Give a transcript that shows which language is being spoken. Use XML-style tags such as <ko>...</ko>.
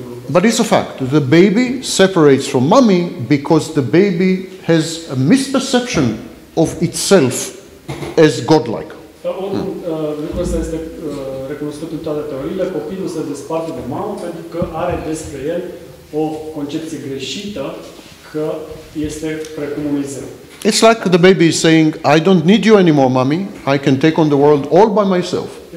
<en>But it's a fact. The baby separates from mommy because the baby has a misperception of itself as godlike.</en> <ro>Lucrul ăsta este recunoscut în toate teoriile, copilul se desparte de mamă pentru că are despre el o concepție greșită că este precum un zeu.</ro> <en>It's like the baby is saying, I don't need you anymore, mommy. I can take on the world all by myself.</en>